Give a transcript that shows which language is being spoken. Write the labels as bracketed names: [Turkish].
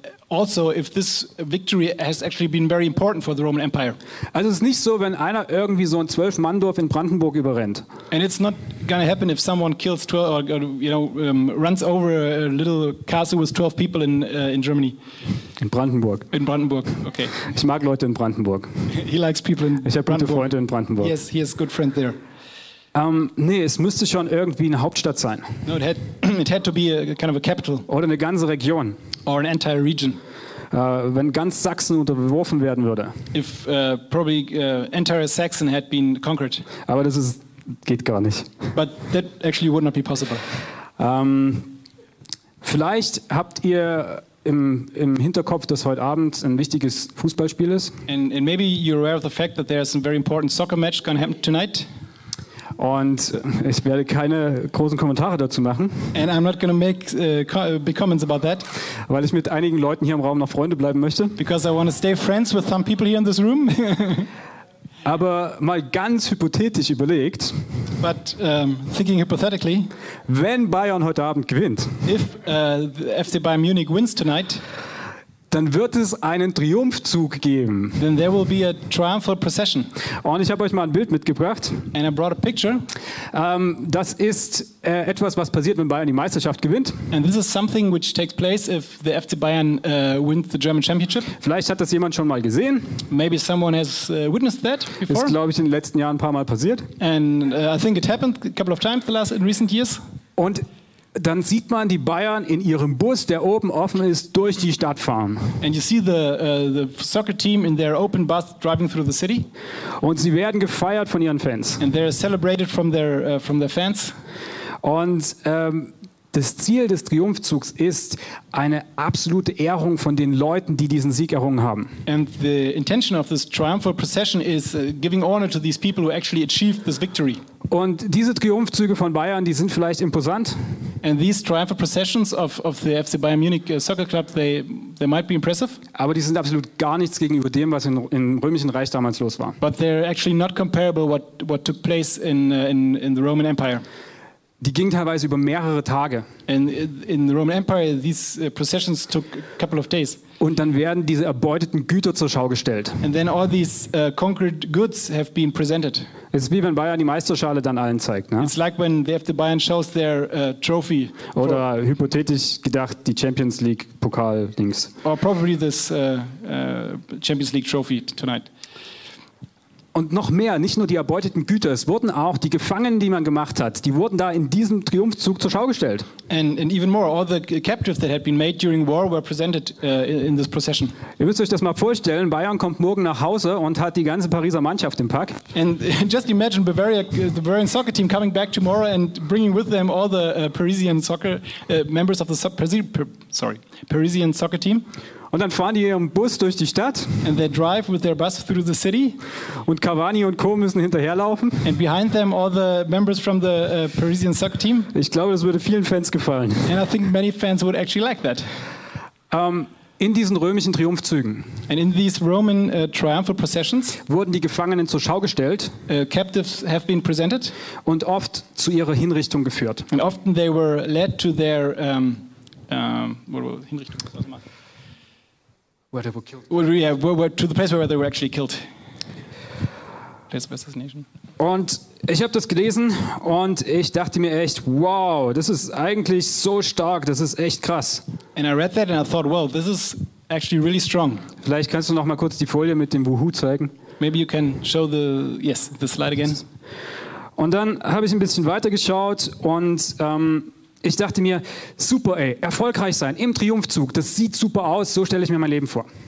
[English] Also, if this victory has actually been very important for the Roman Empire. [German] Also, es ist nicht so, wenn einer irgendwie so ein 12-Mann-Dorf in Brandenburg überrennt. [English] And it's not gonna happen if someone kills 12 or you know runs over a little castle with 12 people in Germany. [German] In Brandenburg. [English] In Brandenburg. Okay. [German] Ich mag Leute in Brandenburg. [English] He likes people in [German] Brandenburg. Ich habe gute Freunde in Brandenburg. [English] Yes, he has good friend there. [German] Nee, es müsste schon irgendwie eine Hauptstadt sein. [English] No, it had to be a kind of a capital. [German] Oder eine ganze Region. [English] Or an entire region. [German] Wenn ganz Sachsen unterworfen werden würde. [English] If probably entire Saxon had been conquered. [German] Aber das ist, geht gar nicht. [English] But that actually would not be possible. [German] Vielleicht habt ihr im Hinterkopf, dass heute Abend ein wichtiges Fußballspiel ist. [English] And maybe you're aware of the fact that there is a very important soccer match going to happen tonight. [German] Und ich werde keine großen Kommentare dazu machen. [English] And I'm not going to make big comments about that. [German] Weil ich mit einigen Leuten hier im Raum noch Freunde bleiben möchte. [English] Because I want to stay friends with some people here in this room. [German] Aber mal ganz hypothetisch überlegt. [English] But thinking hypothetically. [German] Wenn Bayern heute Abend gewinnt. [English] If the FC Bayern Munich wins tonight. [German] Dann wird es einen Triumphzug geben. [English] Then there will be a triumphal procession. [German] Und ich habe euch mal ein Bild mitgebracht. [English] And I brought a picture. [German] Das ist etwas, was passiert, wenn Bayern die Meisterschaft gewinnt. [English] And this is something which takes place if the FC Bayern wins the German Championship. [German] Vielleicht hat das jemand schon mal gesehen. [English] Maybe someone has witnessed that before. [German] Ist, glaube ich, in den letzten Jahren ein paar Mal passiert. [English] And I think it happened a couple of times in recent years. [German] Und dann sieht man die Bayern in ihrem Bus, der oben offen ist, durch die Stadt fahren. [English] And you see the soccer team in their open bus driving through the city. [German] Und sie werden gefeiert von ihren Fans. [English] And they're celebrated from their fans. [German] Und das Ziel des Triumphzugs ist eine absolute Ehrung von den Leuten, die diesen Sieg errungen haben. [English] And the intention of this triumphal procession is giving honor to these people who actually achieved this victory. [German] Und diese Triumphzüge von Bayern, die sind vielleicht imposant. [English] And these triumphal processions of the FC Bayern Munich soccer club, they might be impressive. [German] Aber die sind absolut gar nichts gegenüber dem, was im Römischen Reich damals los war. [English] But they're actually not comparable what took place in the Roman Empire. [German] Die ging teilweise über mehrere Tage. [English] In the Roman Empire, these processions took a couple of days. [German] Und dann werden diese erbeuteten Güter zur Schau gestellt. [English] And then all these conquered goods have been presented. [German] Es ist wie wenn Bayern die Meisterschale dann allen zeigt, ne? [English] It's like when the FC Bayern shows their trophy. [German] Oder hypothetisch gedacht die Champions League Pokal Dings. [English] Or probably this Champions League trophy tonight. [German] Und noch mehr, nicht nur die erbeuteten Güter, es wurden auch die Gefangenen, die man gemacht hat, die wurden da in diesem Triumphzug zur Schau gestellt. [English] And even more, all the captives that had been made during war were presented in this procession. [German] Ihr müsst euch das mal vorstellen, Bayern kommt morgen nach Hause und hat die ganze Pariser Mannschaft im Pack. [English] And just imagine Bavaria, the Bavarian soccer team coming back tomorrow and bringing with them all the Parisian soccer members of the Parisian soccer team. [German] Und dann fahren die ihren Bus durch die Stadt. [English] And they drive with their bus through the city. [German] Und Cavani und Co. müssen hinterherlaufen. [English] And behind them all the members from the Parisian soccer team. [German] Ich glaube, das würde vielen Fans gefallen. [English] And I think many fans would actually like that. [German] In diesen römischen Triumphzügen [English] and in these Roman, triumphal processions, [German] wurden die Gefangenen zur Schau gestellt [English] captives have been presented, [German] und oft zu ihrer Hinrichtung geführt. [English] And often they were led to their Hinrichtung. Where they were killed. Well, yeah, to the place where they were actually killed. [German] Und ich habe das gelesen und ich dachte mir echt, wow, das ist eigentlich so stark, das ist echt krass. [English] And I read that and I thought, wow, this is actually really strong. [German] Vielleicht kannst du noch mal kurz die Folie mit dem Wuhu zeigen. [English] Maybe you can show the, yes, the slide again. [German] Und dann habe ich ein bisschen weiter geschaut und ich dachte mir, super, ey, erfolgreich sein im Triumphzug, das sieht super aus, so stelle ich mir mein Leben vor.